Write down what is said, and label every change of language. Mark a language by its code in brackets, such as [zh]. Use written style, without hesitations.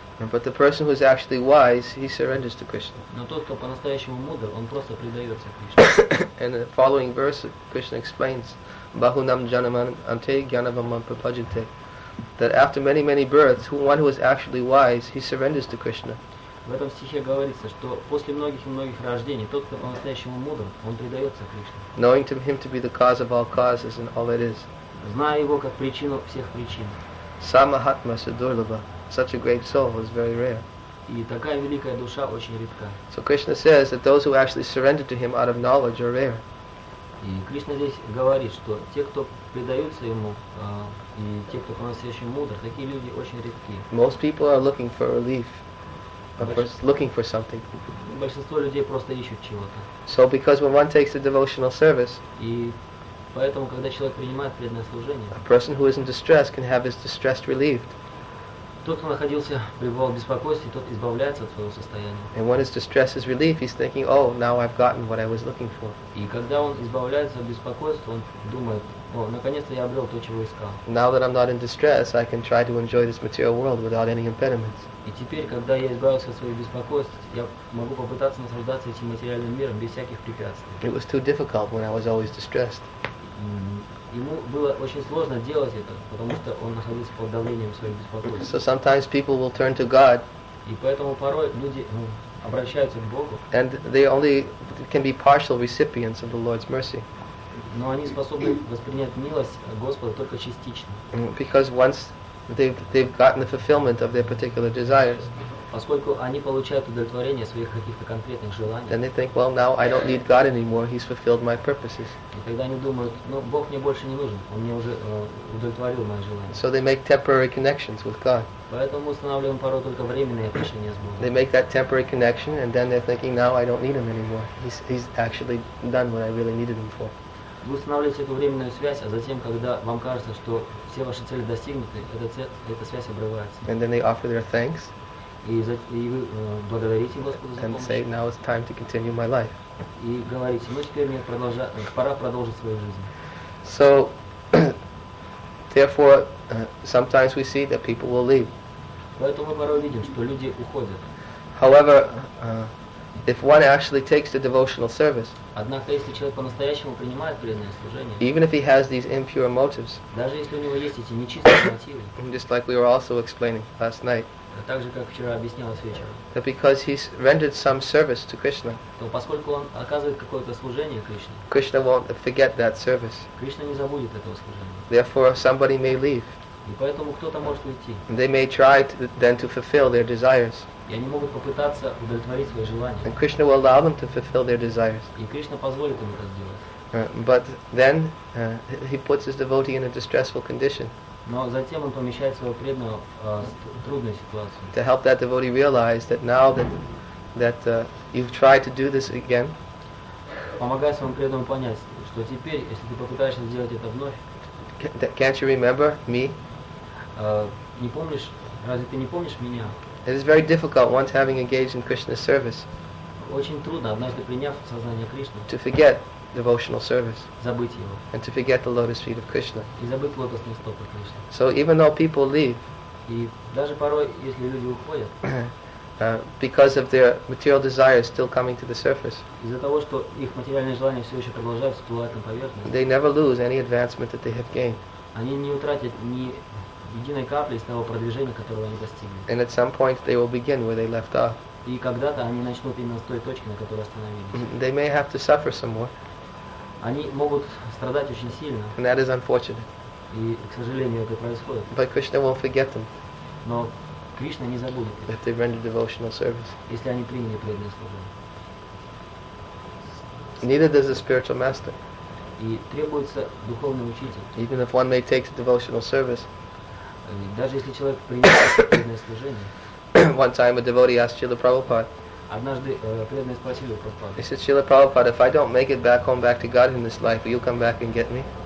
[en] But the person who is actually wise, he surrenders to Krishna. And the following verse, Krishna explains, [sa] Bahunam janaman ante gyanavamam prapajante, [en] that after many, many births, one who is actually wise, he surrenders to Krishna. [ru] В этом стихе говорится, что после многих и многих рождений тот, кто по-настоящему мудр, он предается Кришне. [en] Knowing him to be the cause of all causes and all that is. [ru] Зная его как причину всех причин. [sa] Самахатма Сидурлаба, [en] such a great soul is very rare. [ru] И такая великая душа очень редка. [en] So Krishna says that those who actually surrender to him out of knowledge are rare. [ru] И Кришна здесь говорит, что те, кто предаются ему, и те, кто по-настоящему мудр, такие люди очень редки. [en] Most people are looking for relief. Looking for something. [ru] Большинство людей просто ищут чего-то. [en] So because when one takes a devotional service, [ru] и поэтому когда человек принимает преданное служение, [en] a person who is in distress can have his distress relieved. [ru] Тот, кто находился пребывал в беспокойстве, тот избавляется от своего состояния. [en] And when his distress is relieved, he's thinking, oh, now I've gotten what I was looking for. [ru] И когда он избавляется от беспокойства, он думает, о, наконец-то я обрел то, чего искал. [en] Now that I'm not in distress, I can try to enjoy this material world without any impediments. [ru] И теперь, когда я избавился от своих беспокойств, я могу попытаться наслаждаться этим материальным миром без всяких препятствий. [en] It was too difficult when I was always distressed. [ru] Ему было очень сложно делать это, потому что он находился под давлением своих беспокойств. [en] So sometimes people will turn to God. [ru] И поэтому порой люди обращаются к Богу. [en] And they only can be partial recipients of the Lord's mercy. [ru] Но они способны воспринять милость Господа только частично. [en] Because once they've gotten the fulfillment of their particular desires, [ru] поскольку они получают удовлетворение своих каких-то конкретных желаний, [en] then they think, well, now I don't need God anymore. He's fulfilled my purposes. [ru] И когда они думают, ну, Бог мне больше не нужен, он мне уже удовлетворил мои желания. [en] So they make temporary connections with God. [ru] Поэтому устанавливаем порой только временные отношения с Богом. [en] They make that temporary connection, and then they're thinking, now I don't need Him anymore. He's actually done what I really needed Him for. [ru] Вы устанавливаете эту временную связь, а затем, когда вам кажется, что все ваши цели достигнуты, эта связь обрывается. [en] And then they offer their thanks. [ru] И вы благодарите Господа за помощь. [en] And say, now it's time to continue my life. [ru] И говорите, ну теперь мне пора продолжить свою жизнь. [en] So, therefore, sometimes we see that people will leave. [ru] Поэтому мы порой видим, что люди уходят. [en] However, if one actually takes the devotional service, [ru] однако, если человек по-настоящему принимает преданное служение, [en] even if he has these impure motives, [ru] даже если у него есть эти нечистые мотивы, [en] just like we were also explaining last night, [ru] так же, как вчера объяснялось вечером, [en] that because he's rendered some service to Krishna, [ru] то поскольку он оказывает какое-то служение Кришне, [en] Krishna won't forget that service. [ru] Кришна не забудет этого служения. [en] Therefore, somebody may leave. [ru] И поэтому кто-то может уйти. [en] They may try then to fulfill their desires. [ru] И они могут попытаться удовлетворить свои желания. [en] And Krishna will allow them to fulfill their desires. [ru] И Кришна позволит им это сделать. [en] But then he puts his devotee in a distressful condition. [ru] Но затем он помещает своего преданного в трудную ситуацию. [en] To help that devotee realize that now that you've tried to do this again. [ru] Помогает своему преданному понять, что теперь, если ты попытаешься сделать это вновь, [en] can't you remember me? [ru] Не помнишь? Разве ты не помнишь меня? [en] It is very difficult once having engaged in Krishna's service. [ru] Очень трудно, однажды приняв сознание Кришны, [en] to forget devotional service. [ru] Забыть его. [en] And to forget the lotus feet of Krishna. [ru] И забыть лотосные стопы Кришны. [en] So even though people leave, [ru] и даже порой, если люди уходят, [en] because of their material desires still coming to the surface, [ru] из-за того, что их материальные желания все еще продолжают всплывать на поверхность, [en] they never lose any advancement that they have gained. [ru] Они не утратят ни единой капли из того продвижения, которого они достигли. [en] And at some point they will begin where they left off. [ru] И когда-то они начнут именно с той точки, на которой остановились. [en] They may have to suffer some more. [ru] Они могут страдать очень сильно. [en] And that is unfortunate. [ru] И, к сожалению, это происходит. [en] But Krishna won't forget them. [ru] Но Кришна не забудет их. [en] If they render devotional service. [ru] Если они приняли преданное служение. [en] Neither does the spiritual master. [ru] И требуется духовный учитель. [en] Even if one may take the devotional service. [ru] Даже если человек принимает преданное служение. [en] One time a devotee asked Srila Prabhupada. [ru] Однажды преданный спросил у Прабхупады. [en] He said, Srila Prabhupada, if I don't make it back home back to God in this life, will you come back and get me?